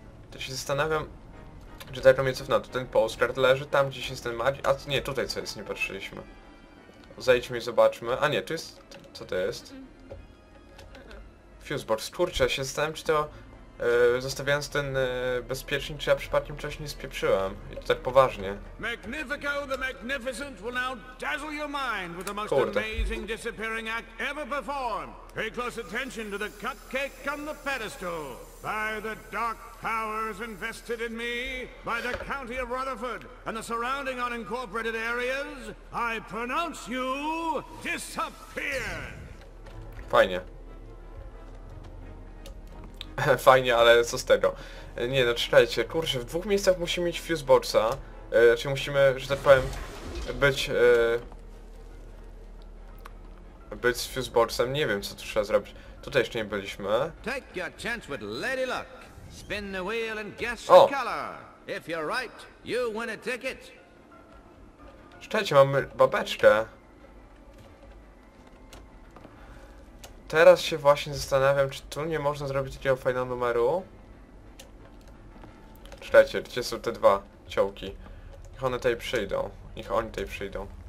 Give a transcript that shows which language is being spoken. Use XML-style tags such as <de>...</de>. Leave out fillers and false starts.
<pl>To się zastanawiam, czy tak mnie cofnęło, to ten postcard leży tam, gdzieś jest ten magi... A nie, tutaj co jest, nie patrzyliśmy. Zejdźmy i zobaczmy, a nie, tu jest... co to jest? Fusebox, kurczę, się zastanawiam, czy to... zostawiając ten bezpiecznik, czy ja przypadkiem czegoś nie spieprzyłem. I to tak poważnie.</pl> <en>Magnifico the Magnificent will now dazzle your mind with the most amazing disappearing act ever performed. Pay close attention to the cupcake on the pedestal. By the dark powers invested in me, by the county of Rutherford and the surrounding unincorporated areas, I pronounce you disappeared.</en> <pl>Fajnie. Fajnie, ale co z tego? Nie, no czekajcie, kurczę, w dwóch miejscach musimy mieć fuseboxa. Znaczy musimy, że tak powiem, być z fuseboxem. Nie wiem, co tu trzeba zrobić. Tutaj jeszcze nie byliśmy.</pl> <en>Take your chance with Lady Luck. Spin the wheel and guess the color. If you're right, you win a ticket.</en> <pl>Czekajcie, mamy babeczkę. Teraz się właśnie zastanawiam, czy tu nie można zrobić takiego fajnego numeru. Czekajcie, gdzie są te dwa ciołki? Niech one tutaj przyjdą. Niech oni tutaj przyjdą.</pl>